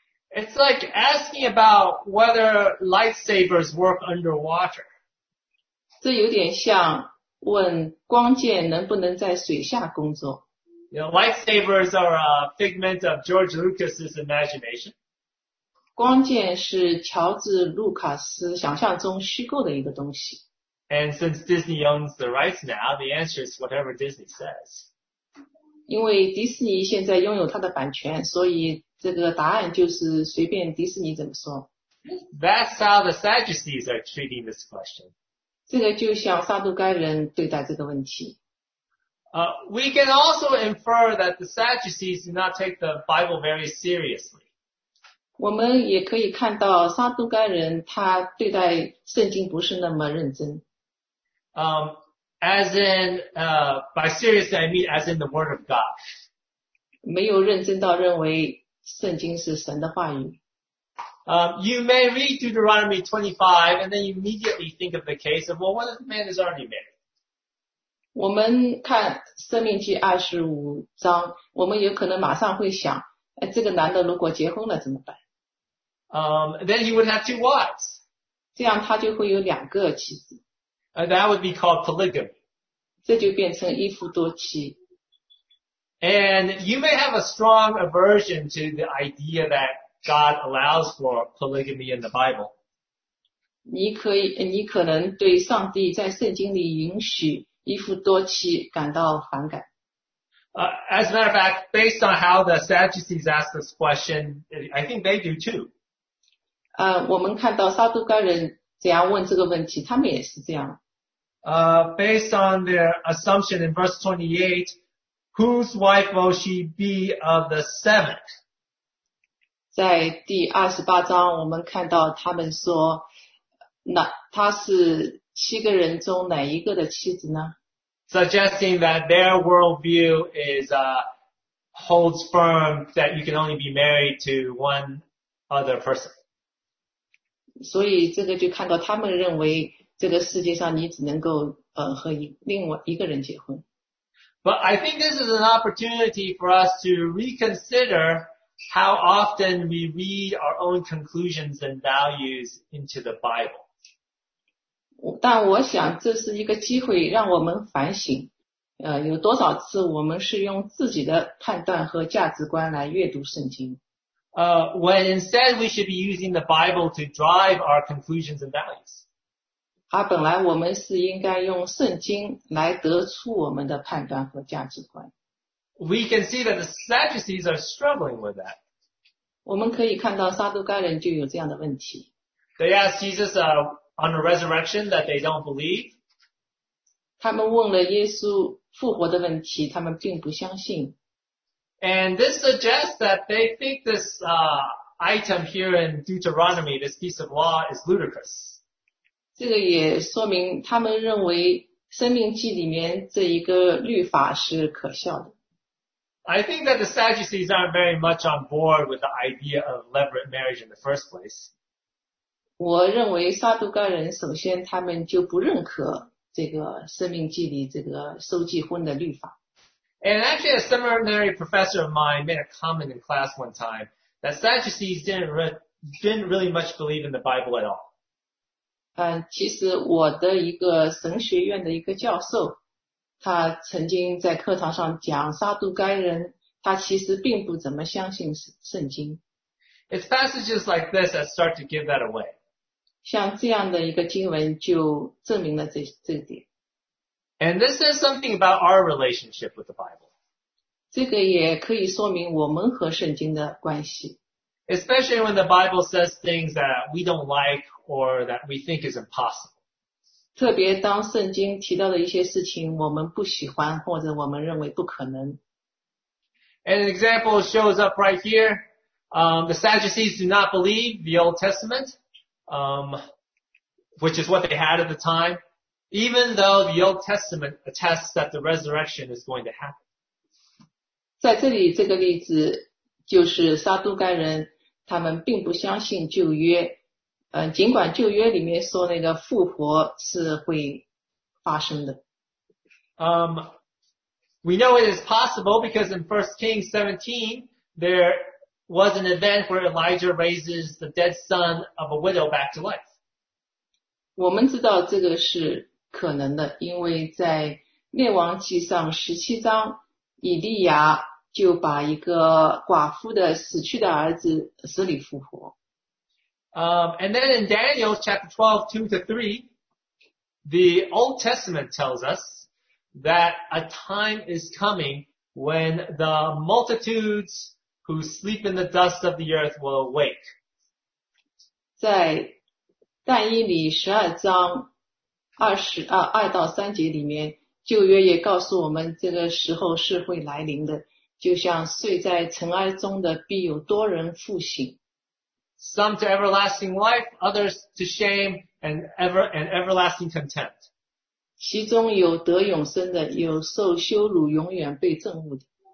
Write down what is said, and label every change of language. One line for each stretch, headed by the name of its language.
English: It's like asking about whether lightsabers work underwater.
Chinese: 这有点像问光剑能不能在水下工作。
English: You know, lightsabers are a figment of George Lucas's imagination.
Chinese: 光剑是乔治·卢卡斯想象中虚构的一个东西。
English: And since Disney owns the rights now, the answer is whatever Disney says.
Chinese: 因为迪士尼现在拥有它的版权，所以这个答案就是随便迪士尼怎么说。
English: That's how the Sadducees are treating this question.
Chinese: 这个就像撒杜该人对待这个问题。
English: We can also infer that the Sadducees do not take the Bible very seriously.
Chinese: 我们也可以看到撒杜该人他对待圣经不是那么认真。
English: By seriously I mean as in the Word of God.
Chinese: 没有认真到认为圣经是神的话语。
English: You may read Deuteronomy 25 and then you immediately think of the case of, well, what if the man is already married?
Chinese: 我们看生命记25章，我们有可能马上会想，这个男的如果结婚了怎么办？
English: Then he would have two wives.
Chinese: 这样他就会有两个妻子。
English: That would be called polygamy.
Chinese: 这就变成一夫多妻。
English: And you may have a strong aversion to the idea that God allows for polygamy in the Bible.
Chinese: 你可能对上帝在圣经里允许一夫多妻感到反感。
English: As a matter of fact, based on how the Sadducees ask this question, I think they do too.
Chinese: 我们看到撒杜该人怎样问这个问题，他们也是这样。
English: Based on their assumption in verse 28,Whose wife will she be of the seventh?
Chinese: 在第二十八章，我们看到他们说，那她是七个人中哪一个的妻子呢？
English: Suggesting that their worldview is holds firm that you can only be married to one other person.
Chinese: 所以这个就看到他们认为这个世界上你只能够和另外一个人结婚。
English: But I think this is an opportunity for us to reconsider how often we read our own conclusions and values into the Bible.
Chinese: 但我想这是一个机会让我们反省，有多少次我们是用自己的判断和价值观来阅读圣经。
English: When instead we should be using the Bible to drive our conclusions and values.
Chinese: 而本来我们是应该用圣经来得出我们的判断和价值观。
English: We can see that the Sadducees are struggling with that.
Chinese: 我们可以看到撒杜该人就有这样的问题。
English: They ask Jesus on a resurrection that they don't believe.
Chinese: 他们问了耶稣复活的问题，他们并不相信。
English: And this suggests that they think this item here in Deuteronomy, this piece of law, is ludicrous.
Chinese: 这个也说明他们认为《生命记》里面这一个律法是可笑的。
English: I think that the Sadducees aren't very much on board with the idea of levirate marriage in the first place.
Chinese: 我认为撒杜该人首先他们就不认可这个《生命记》里这个收继婚的律法。
English: And actually, a seminary professor of mine made a comment in class one time that Sadducees didn't really much believe in the Bible at all.
Chinese: 其实我的一个神学院的一个教授，他曾经在课堂上讲撒杜该人，他其实并不怎么相信圣经。
English: It's passages like this that start to give that away.
Chinese: 像这样的一个经文就证明了这点。
English: And this says something about our relationship with the Bible.
Chinese: 这个也可以说明我们和圣经的关系。
English: Especially when the Bible says things that we don't like or that we think is impossible.
Chinese: 特别当圣经提到的一些事情我们不喜欢或者我们认为不可能。
English: And an example shows up right here. The Sadducees do not believe the Old Testament. which is what they had at the time, even though the Old Testament attests that the resurrection is going to happen.
Chinese: 在这里这个例子就是撒都该人他们并不相信旧约，尽管旧约里面说那个复活是会发生的。
English: We know it is possible because in 1 Kings 17, there was an event where Elijah raises the dead son of a widow back to life.
Chinese: 我们知道这个是可能的，因为在列王记上17章，以利亚就把一个寡妇的死去的儿子死里复活。
English: And then in Daniel chapter 12, 2-3, the Old Testament tells us,that a time is coming when the multitudes who sleep in the dust of the earth will awake.
Chinese: 在但以理12章2到3节里面，旧约也告诉我们这个时候是会来临的，就像睡在尘埃中的必有多人复醒。
English: Some to everlasting life, others to shame and everlasting contempt.
Chinese: 其中有得永生的，有受羞辱永远被憎恶的。